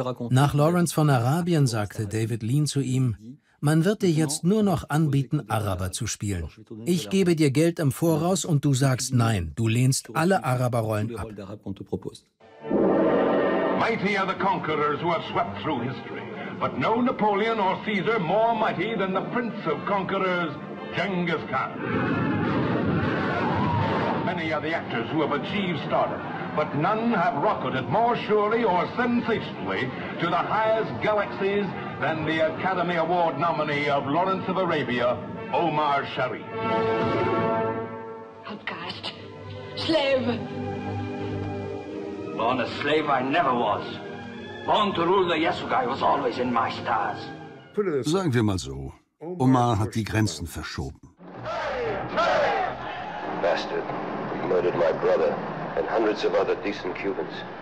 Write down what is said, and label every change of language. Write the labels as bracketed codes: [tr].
[de] Nach Lawrence von Arabien sagte David Lean zu ihm, man wird dir jetzt nur noch anbieten, Araber zu spielen. Ich gebe dir Geld im Voraus und du sagst nein, du lehnst alle Araberrollen ab. [en] Mighty are the conquerors who have swept through history, but no Napoleon or Caesar more mighty than the prince of conquerors, Genghis Khan. Many are the actors who have achieved stardom, but none have rocketed more surely or sensationally to the highest galaxies than the Academy Award nominee of Lawrence of Arabia, Omar Sharif. Outcast, slave. Born a slave, I never was. Born to rule, the Yesugai was always in my stars. [de] Sagen wir mal so, Omar hat die Grenzen verschoben. [en] Bastard, you murdered my brother and hundreds of other decent Cubans.